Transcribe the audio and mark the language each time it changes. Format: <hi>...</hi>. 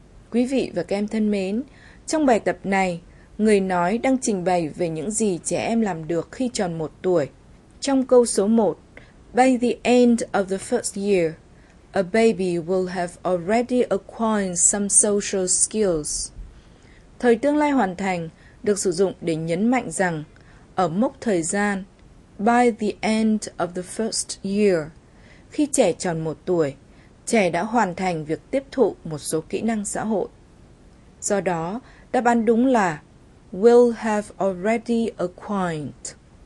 <vi>Quý vị và các em thân mến, trong bài tập này, người nói đang trình bày về những gì trẻ em làm được khi tròn 1 tuổi. Trong câu số 1,</vi> <en>by the end of the first year, a baby will have already acquired some social skills.</en> <vi>Thời tương lai hoàn thành được sử dụng để nhấn mạnh rằng, ở mốc thời gian,</vi> <en>by the end of the first year,</en> <vi>khi trẻ tròn 1 tuổi, trẻ đã hoàn thành việc tiếp thụ một số kỹ năng xã hội. Do đó, đáp án đúng là</vi> <en>will have already acquired.</en>